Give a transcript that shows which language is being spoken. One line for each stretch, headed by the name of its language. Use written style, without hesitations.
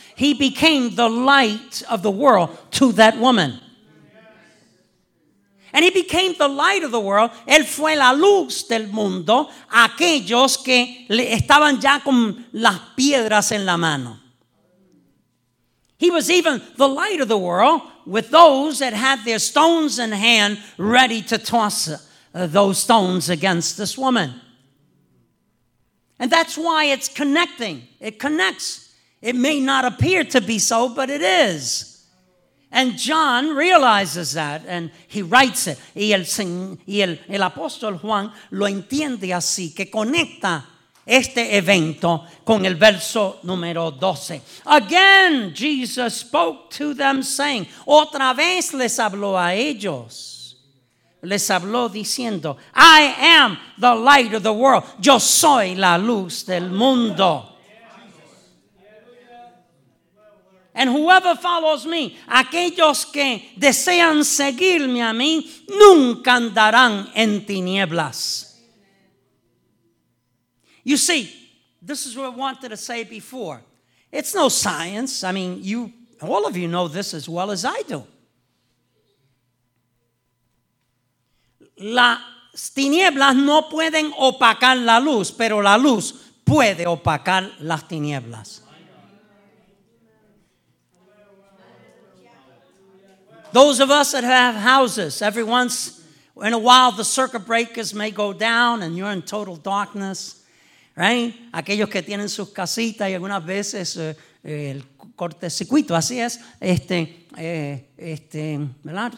English: He became the light of the world to that woman. And he became the light of the world.
Spanish: Él fue la luz del mundo a aquellos que estaban ya con las piedras en la mano.
English: He was even the light of the world with those that had their stones in hand ready to toss those stones against this woman. And that's why it's connecting. It connects. It may not appear to be so, but it is. And John realizes that, and he writes it.
Spanish: Y el apóstol Juan lo entiende así, que conecta este evento con el verso número 12.
English: Again, Jesus spoke to them saying,
Spanish: otra vez les habló a ellos. Les habló diciendo,
English: I am the light of the world.
Spanish: Yo soy la luz del mundo.
English: And whoever follows me,
Spanish: aquellos que desean seguirme a mí, nunca andarán en tinieblas.
English: You see, this is what I wanted to say before. It's no science. I mean, you, all of you know this as well as I do.
Spanish: Las tinieblas no pueden opacar la luz, pero la luz puede opacar las tinieblas.
English: Those of us that have houses, every once in a while, the circuit breakers may go down and you're in total darkness, right?
Spanish: Aquellos que tienen sus casitas y algunas veces el cortocircuito, así es, ¿verdad?